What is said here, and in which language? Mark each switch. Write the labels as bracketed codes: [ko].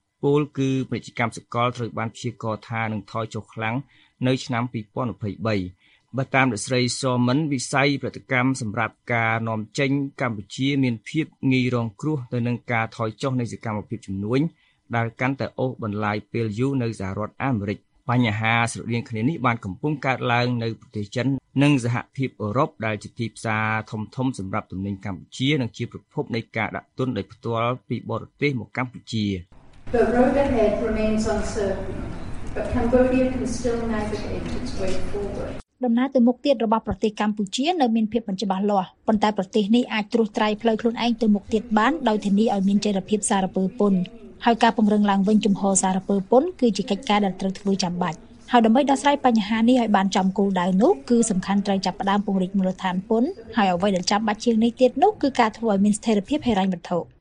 [km] ពោលគឺពាណិជ្ជកម្មសកលត្រូវបានព្យាករណ៍ថានឹងថយចុះខ្លាំងនៅឆ្នាំ2023បើតាមលោកស្រីសមមិនវិស័យប្រតិកម្មសម្រាប់ការនាំចេញកម្ពុជាមានភាពងាយរងគ្រោះទៅនឹងការថយចុះនៃសកម្មភាពជំនួញដែលកាន់តែអូសបន្លាយពេលយូរនៅសហរដ្ឋអាមេរិកបញ្ហាស្រដៀងគ្នានេះបានកំពុងកើតឡើងនៅប្រទេសចិននិងសហភាពអឺរ៉ុបដែលជាទីផ្សារធំៗសម្រាប់ទំនិញកម្ពុជានិងជាប្រភពនៃការដាក់ទុនដោយផ្ទាល់ពីបរទេសមកកម្ពុជា [en] The road ahead remains uncertain but Cambodia can still navigate its way forward. [km] ដំណើរទៅមុខទៀតរបស់ប្រទេសកម្ពុជានៅមានភាពមិនច្បាស់លាស់ប៉ុន្តែប្រទេសនេះអាចត្រួសត្រាយផ្លូវខ្លួនឯងទៅមុខទៀតបានដោយធានាឲ្យមានចរិយាភាពសារពើពន្ធហើយការពង្រឹងឡើងវិញជំហរសារពើពន្ធគឺជាកិច្ចការដែលត្រូវធ្វើចាំបាច់ហើយដើម្បីដោះស្រាយបញ្ហានេះឲ្យបានចំគោលដៅនោះគឺសំខាន់ត្រូវចាប់ផ្ដើមពង្រីកមូលដ្ឋានពន្ធហើយអ្វីដែលចាំបាច់ជាងនេះទៀតនោះគឺការធ្វើឲ្យមានស្ថិរភាពហិរញ្ញវត្ថុ